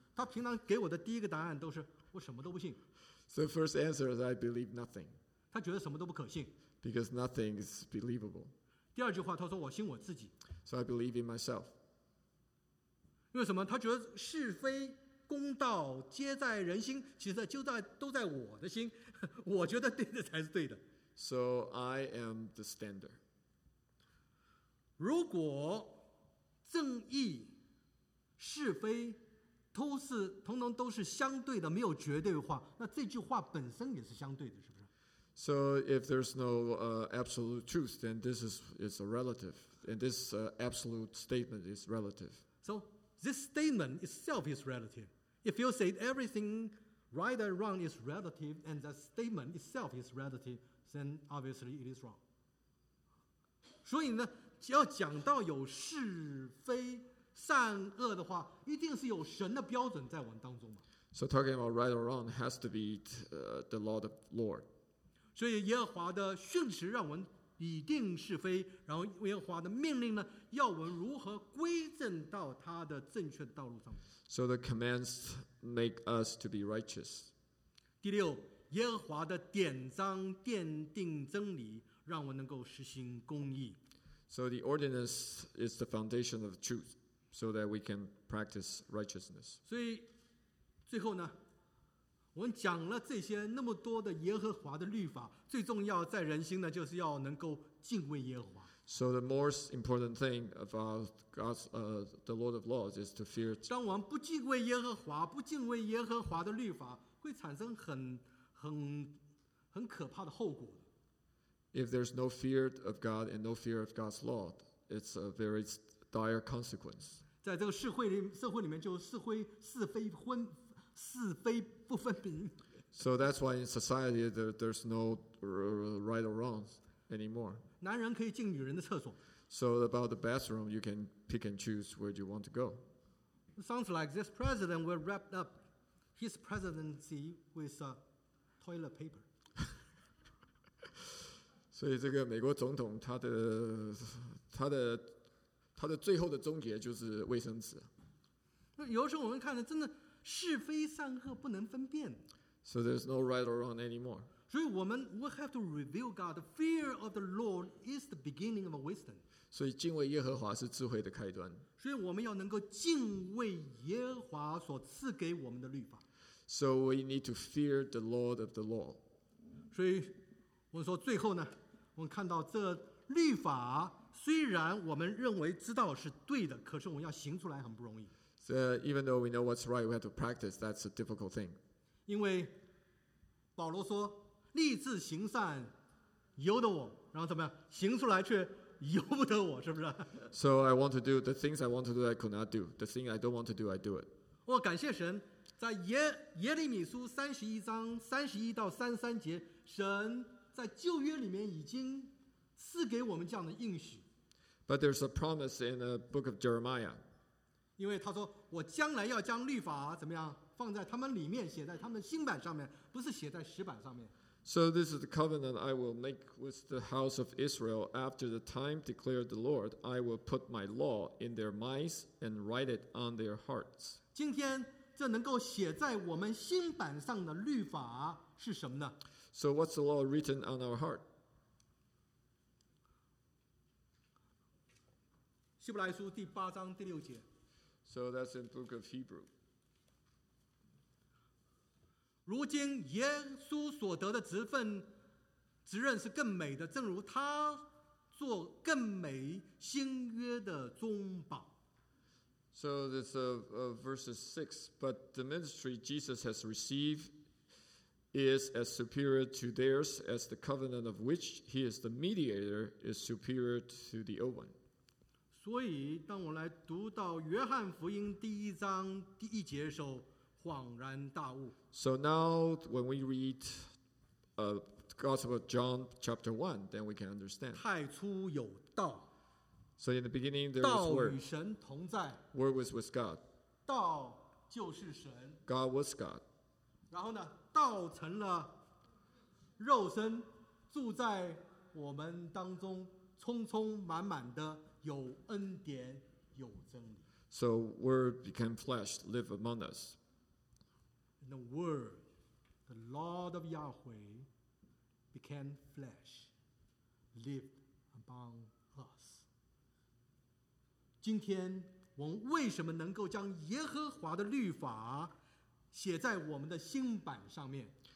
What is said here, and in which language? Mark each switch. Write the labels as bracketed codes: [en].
[zh] 他平常给我的第一个答案都是我什么都不信。 [en] So the first answer is I believe nothing. [zh] 他觉得什么都不可信。 [en] Because nothing is believable. [zh] 第二句话他说我信我自己。 [en] So I believe in myself. [zh] 因为什么？他觉得是非。公道皆在人心，其实都在我的心，我觉得对的才是对的。 [en] So I am the standard. [zh] 如果正义、是非都是统统都是相对的，没有绝对化，那这句话本身也是相对的，是不是 [en] ？So if there's no absolute truth, then this is a relative, and this absolute statement is relative. So this statement itself is relative. If you say everything right or wrong is relative and the statement itself is relative, then obviously it is wrong. [zh] 所以呢，只要讲到有是非善恶的话，一定是有神的标准在我们当中嘛。 [en] So talking about right or wrong has to be the law of the Lord. [zh] 所以耶和华的训词让我们理定是非，然后耶和华的命令呢，要我们如何归正到他的正确的道路上。 [en] So the commands make us to be righteous. [zh] 第六，耶和华的典章奠定真理，让我能够实行公义。 [en] So the ordinance is the foundation of truth, so that we can practice righteousness. [zh] 所以最后呢，我们讲了这些那么多的耶和华的律法，最重要在人心呢，就是要能够敬畏耶和华。 [en] So the most important thing about God's, the Lord of Laws, is to fear. [zh] 当我们不敬畏耶和华，不敬畏耶和华的律法，会产生很可怕的后果。 [en] If there's no fear of God and no fear of God's law, it's a very dire consequence. [zh] 在这个社会里面，就是非不分明。 [en] So that's why in society there's no right or wrong anymore. [zh] 男人可以进女人的厕所。 [en] So about the bathroom, you can pick and choose where you want to go. Sounds like this president will wrap up his presidency with toilet paper. [zh] 所以这个美国总统他的最后的终结就是卫生纸。那有时候我们看的真的是非善恶不能分辨。 [en] So there's no right or wrong anymore. [zh] 所以我们 [en] we have to reveal God. The fear of the Lord is the beginning of wisdom. [zh] 所以敬畏耶和华是智慧的开端。所以我们要能够敬畏耶和华所赐给我们的律法。 [en] So we need to fear the Lord of the law. [zh] 所以我说最后呢，我们看到这律法虽然我们认为知道是对的，可是我们要行出来很不容易。 [en] So even though we know what's right, we have to practice. That's a difficult thing. [zh] 因为保罗说立志行善由得我，然后怎么样行出来却由不得我，是不是？ [en] So I want to do the things I want to do I could not do, the thing I don't want to do I do it. [zh] 我感谢神，在耶利米书31章31到33节，神在旧约里面已经赐给我们这样的应许。 [en] But there's a promise in the book of Jeremiah. [zh] 因为他说我将来要将律法怎么样放在他们里面，写在他们的心板上面，不是写在石板上面。 [en] So this is the covenant I will make with the house of Israel after the time declared the Lord. I will put my law in their minds and write it on their hearts. [zh] 今天这能够写在我们心板上的律法是什么呢？ [en] So what's the law written on our heart? [zh] 希伯来书第八章第六节。 [en] So that's in the book of Hebrew. [zh] 如今耶稣所得的职任是更美的，正如他做更美新约的中保。 [en] So this verses 6, but the ministry Jesus has received is as superior to theirs as the covenant of which he is the mediator is superior to the old one. [zh] 所以当我来读到约翰福音第一章第一节的时候，恍然大悟。 [en] So now when we read the Gospel of John chapter 1, then we can understand. [zh] 太初有道。 [en] So in the beginning, there was Word. [zh] 道与神同在。 [en] Word was with God. [zh] 道就是神。 [en] God was God. [zh] 然后呢，道成了肉身，住在我们当中，充充满满的有恩典，有真理。 [en] So Word became flesh, live among us. And the Word, the Lord of Yahweh, became flesh, lived among us. [zh] 今天我们为什么能够将耶和华的律法写在我们的心板上面？